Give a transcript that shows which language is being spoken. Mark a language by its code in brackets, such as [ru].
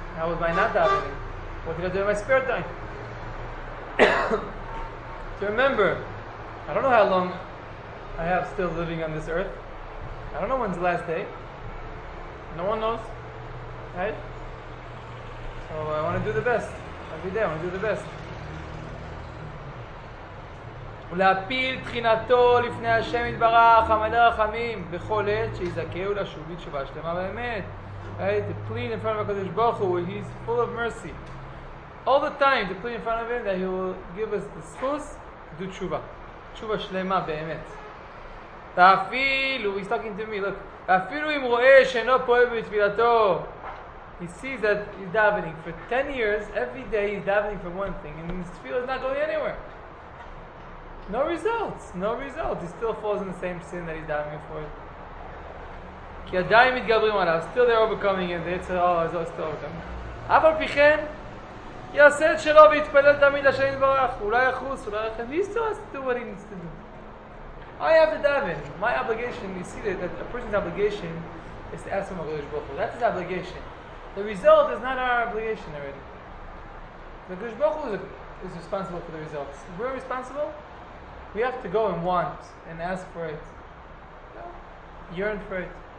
[en] How was my not davening? What did I do in my spare time? To remember, I don't know how long I have still living on this earth. I don't know when's the last day. No one knows, right? So I want to do the best. Every day I want to do the best. [he] ולהפיל תחינתו לפני השם יתברך, חמדי רחמים, בכל עת שיזכהו לשוב בתשובה שלמה באמת. [en] Right? To plead in front of HaKadosh Baruch Hu, he's full of mercy. All the time to plead in front of him that he will give us the zchus to do תשובה. [he] תשובה שלמה באמת. ואפילו, [en] he's talking to me, look. [he] אפילו אם רואה שאינו פועל בתפילתו. [en] He sees that he's davening. For 10 years, every day he's davening for one thing, and his tefillah is not going anywhere. No results, no results. He still falls in the same sin that he's davening for. [he] כי עדיין מתגברים עליו, [en] still they're overcoming him, they're still overcoming. [he] אף על פי כן, יעשה את שלו ויתפלל תמיד לשם יתברך, אולי יחוס, אולי יחוס, [en] he still has to do what he needs to do. I have to daven. My obligation, you see that a person's obligation is to ask for HaKadosh Baruch Hu. That's his obligation. The result is not our obligation already. The HaKadosh Baruch Hu is responsible for the results. If we're responsible, we have to go and want and ask for it. Yearn for it.